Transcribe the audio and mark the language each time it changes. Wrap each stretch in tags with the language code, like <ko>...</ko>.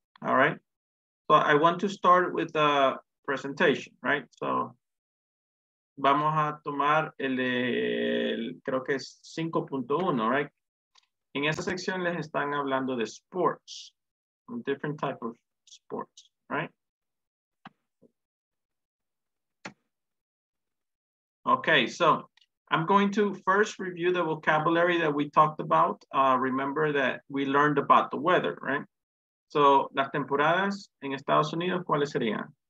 <en>All right, so I want to start with the presentation, right?</en> <es>So vamos a tomar el creo que es 5.1, right? En esa sección les están hablando de sports,</es> <en>different type of sports,</en> <es>right?</es> <en>Okay, so I'm going to first review the vocabulary that we talked about. Remember that we learned about the weather, right?</en> <es>So, las temporadas en Estados Unidos, ¿cuáles serían?</es>